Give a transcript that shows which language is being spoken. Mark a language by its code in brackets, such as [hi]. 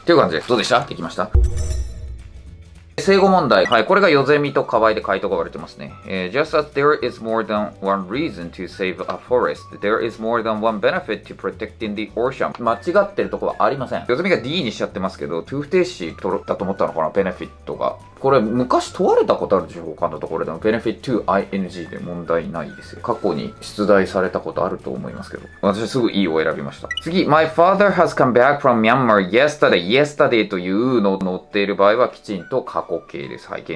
[ja] という感じです。どうでした？できました？正誤問題。はい。これがヨゼミとカワイで回答が割れてますね。 [en] Just as there is more than one reason to save a forest, there is more than one benefit to protecting the ocean. [ja] 間違ってるとこはありません。ヨゼミが D にしちゃってますけど、トゥー不定詞だと思ったのかな？ベネフィットが。これ、昔問われたことあるでしょ？他のところでも。benefit to ing で問題ないですよ。過去に出題されたことあると思いますけど。私はすぐ E を選びました。次、 [en] my father has come back from Myanmar yesterday. [ja] yesterday というのを載っている場合はきちんと過去形です。はい。